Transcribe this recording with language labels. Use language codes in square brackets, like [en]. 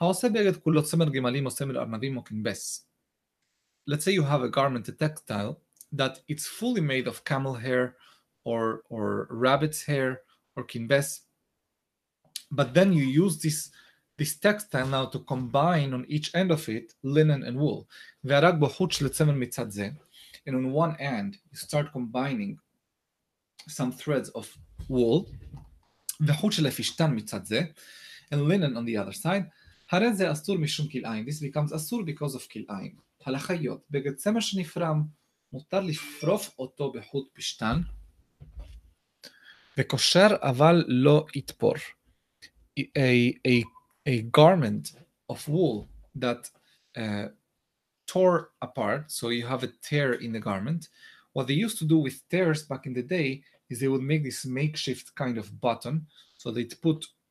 [en] Let's say you have a garment, a textile, that it's fully made of camel hair or rabbit's hair or kinbes, but then you use this textile now to combine on each end of it linen and wool. And on one end, you start combining some threads of wool and linen on the other side. [he] הרי זה אסור משום קילאין. [en] This becomes אסור because of קילאין. [he] הלכה יוד. בגד צמר שנפרם מותר לפרוף אותו בחוט פשטן וקושר אבל לא יתפור. [en] A garment of wool that tore apart, so you have a tear in the garment. What they used to do with tears back in the day is they would make this makeshift kind of button. So they'd put...